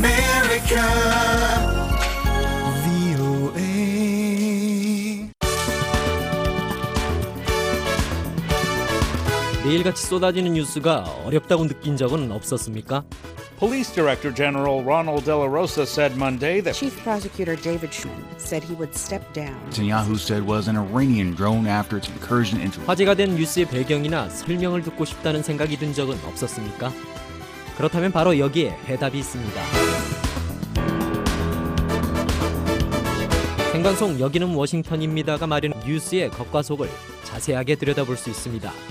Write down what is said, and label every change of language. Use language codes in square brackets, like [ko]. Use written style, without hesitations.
[en] Voice of America, VOA. [ko] 매일같이 쏟아지는 뉴스가 어렵다고 느낀 적은 없었습니까? [en] Police Director General Ronald De La Rosa said Monday that Chief Prosecutor David Shulman said he would step down. Netanyahu said was an Iranian drone after its incursion into. [ko] 화제가 된 뉴스의 배경이나 설명을 듣고 싶다는 생각이 든 적은 없었습니까? 그렇다면 바로 여기에 해답이 있습니다. 생방송 여기는 워싱턴입니다가 마련 뉴스의 겉과 속을 자세하게 들여다볼 수 있습니다.